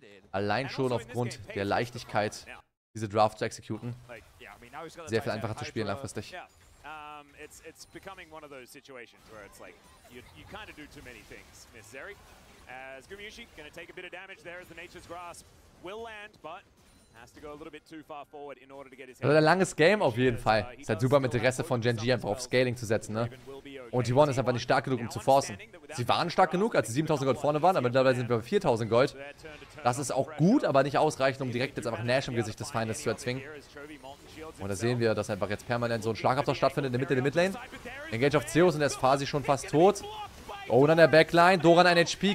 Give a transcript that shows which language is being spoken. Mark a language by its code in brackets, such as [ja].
[de] Allein schon aufgrund der Leichtigkeit, diese Draft zu executen. Sehr viel einfacher zu spielen langfristig. [en] It's becoming one of those situations where it's like you kind of do too many things, Miss Zeri. As Gumyushi gonna take a bit of damage there as the Nature's Grasp will land, but has to go a little bit too far forward in order to get his. [de] Also ein langes Game auf jeden Fall. Ist halt super mit Interesse von Gen.G einfach auf Scaling zu setzen, ne? Und T1 ist einfach nicht stark genug, um zu forcen. Sie waren stark genug, als sie 7000 Gold vorne waren, aber mittlerweile sind wir bei 4000 Gold. Das ist auch gut, aber nicht ausreichend, um direkt jetzt einfach Nash im Gesicht des Feindes zu erzwingen. Und da sehen wir, dass einfach jetzt permanent so ein Schlagabtausch stattfindet in der Mitte der Midlane. Engage auf Zeus und er ist quasi schon fast tot. Oh, und an der Backline. Doran ein HP.